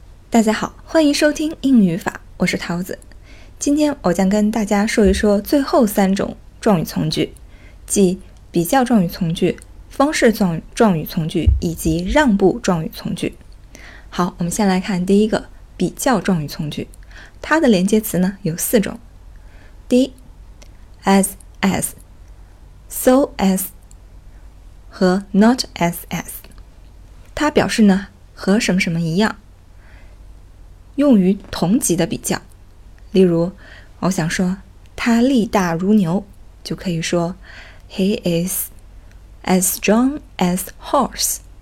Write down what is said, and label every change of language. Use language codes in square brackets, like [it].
[zh] 大家好，欢迎收听英语法，我是桃子。今天我将跟大家说一说最后三种状语从句，即比较状语从句、方式状语从句以及让步状语从句。好，我们先来看第一个比较状语从句，它的连接词呢有四种。第一 ,as, as, so as 和 not as, as。它表示呢和什么什么一样。用于同级的比较，例如我想说他力大如牛，就可以说 [en] He is as strong as horse。